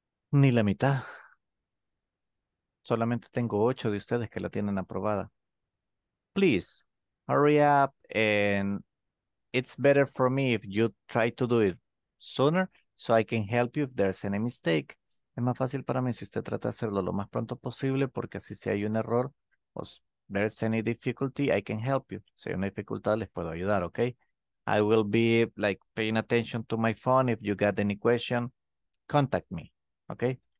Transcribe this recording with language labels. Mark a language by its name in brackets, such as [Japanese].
[Spanish] Ni la mitad. Solamente tengo 8 de ustedes que la tienen aprobada. [English] Please. Hurry up, and it's better for me if you try to do it sooner so I can help you if there's any mistake. [Spanish] Es más fácil para mí si usted trata de hacerlo lo más pronto posible, porque así si hay un error, o [English] there's any difficulty, I can help you. [Spanish] Si hay una dificultad, les puedo ayudar, okay? [English] I will be, like, paying attention to my phone. If you got any question, contact me, okay?